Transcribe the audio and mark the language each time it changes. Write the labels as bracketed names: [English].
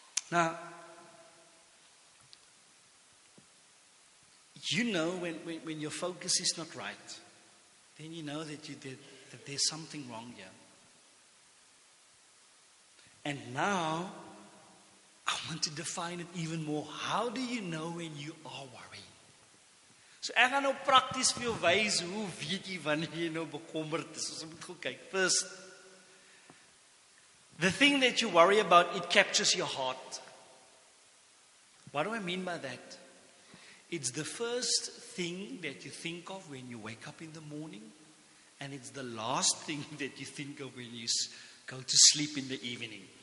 [English] Now, you know when your focus is not right, then you know that that there's something wrong here. And now, I want to define it even more. How do you know when you are worried? [Afrikaans] So ek gaan nou prakties vir jou wys hoe weet jy wanneer jy nou bekommerd is. Ons moet gou kyk. [English] First, the thing that you worry about, it captures your heart. What do I mean by that? It's the first thing that you think of when you wake up in the morning, and it's the last thing that you think of when you go to sleep in the evening.